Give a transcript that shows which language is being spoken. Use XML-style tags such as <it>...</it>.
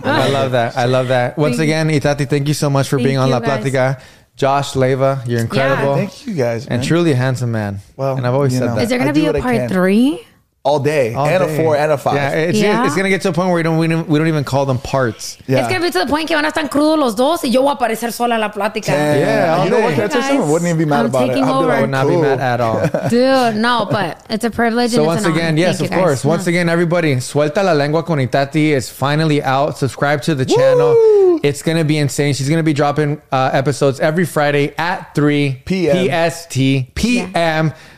<en>I love that. I love that. Once again, Itati, thank you so much for being on La Plática. Josh, Leva, you're incredible. Yeah. Thank you guys, man. And truly a handsome man. Well, and I've always said that. Is there going to be a part three? all day, a 4 and a 5. Yeah, it's gonna get to a point where we don't even call them parts. Yeah. It's gonna be to the point</en> <es>que van a estar crudos los dos y yo voy a aparecer sola en la plática.</es> <en>Hey, wouldn't even be mad about it. I would not be mad at all. Dude, no, but it's a privilege. So once again, yes, of course. Once again, everybody, Suelta la Lengua con Itati is finally out. Subscribe to the channel. It's gonna be insane. She's gonna be dropping episodes every Friday at 3 PST PM.</en>